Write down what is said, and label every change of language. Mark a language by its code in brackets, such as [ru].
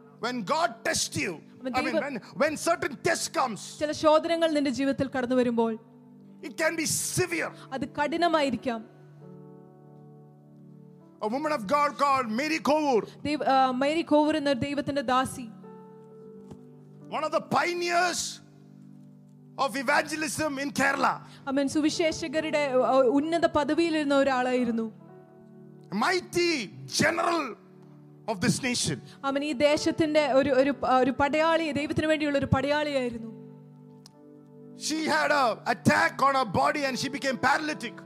[en] When God tests you, when certain test comes, [ml] ചില ശോധനകൾ നിന്റെ ജീവിതത്തിൽ കടന്നു വരുമ്പോൾ, [en] it can be severe. [ml] അത് കഠിനമായിരിക്കാം. [en] A woman of God called Mary Kovur. [ml] Mary Kovur എന്ന ദൈവത്തിന്റെ ദാസി. [en] One of the pioneers of evangelism in Kerala. [ml] അമേൻ. സുവിശേഷകരുടെ ഉന്നത പദവിയിലിരുന്ന ഒരാളായിരുന്നു. [en] Mighty general of this nation. [ml] അമേൻ. ഈ ദേശത്തിന്റെ ഒരു ഒരു പടയാളി, ദൈവത്തിന് വേണ്ടിയുള്ള ഒരു പടയാളിയായിരുന്നു. [en] She had a attack on her body and she became paralytic.